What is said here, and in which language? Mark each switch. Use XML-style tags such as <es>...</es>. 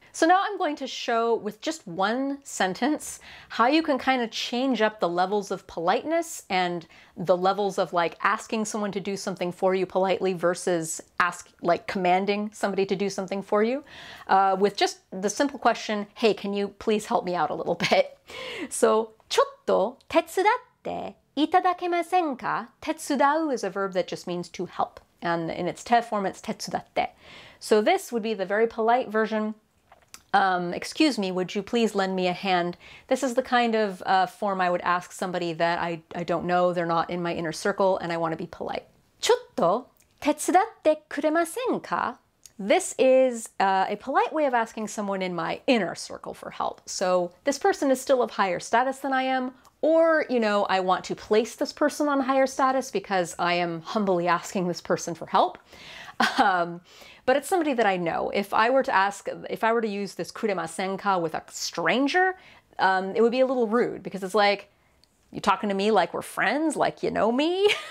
<en>So now I'm going to show with just one sentence how you can kind of change up the levels of politeness and the levels of like asking someone to do something for you politely versus ask like commanding somebody to do something for you with just the simple question, hey, can you please help me out a little bit?</en> <ja>So ちょっと手伝っていただけませんか?</ja> <en>Tetsudau is a verb that just means to help. And in its te form, it's tetsudatte. So this would be the very polite version. Excuse me, would you please lend me a hand? This is the kind of form I would ask somebody that I don't know, they're not in my inner circle, and I want to be polite.</en> <ja>ちょっと手伝ってくれませんか?</ja> <en>This is a polite way of asking someone in my inner circle for help. So this person is still of higher status than I am, or, you know, I want to place this person on higher status because I am humbly asking this person for help. But it's somebody that I know. If I were to use this kuremasenka with a stranger, it would be a little rude because it's like, you're talking to me like we're friends, like you know me.</en>